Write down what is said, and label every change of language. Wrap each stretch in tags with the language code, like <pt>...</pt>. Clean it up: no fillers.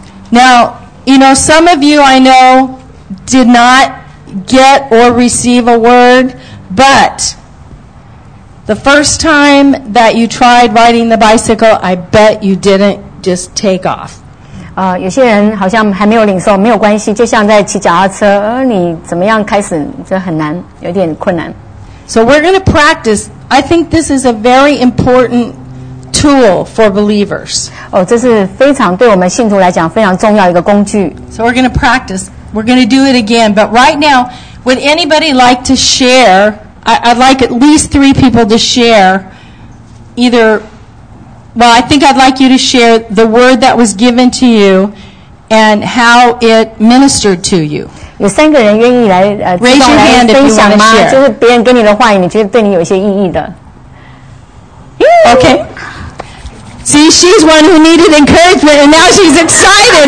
<en>Now, you know, some of you I know did not get or receive a word, but the first time that you tried riding the bicycle, I bet you didn't just take off.</en> <zh>有些人好像还没有领受，没有关系，就像在骑脚踏车，你怎么样开始，这很难，有点困难。</zh> <en>So we're going to practice, I think this is a very important tool for believers.</en> <zh>这是非常对我们信徒来讲非常重要一个工具。</zh> <en>So we're going to practice, we're going to do it again, but right now, would anybody like to share, I'd like at least 3 people to share, either... Well, I think I'd like you to share the word that was given to you and how it ministered to you.</en> <zh>有三个人愿意来,</zh> <en>raise your hand if you want to share.</en> <zh>就是别人给你的话语，你觉得对你有一些意义的。</zh> <en>Okay. See, she's one who needed encouragement and now she's excited.</en>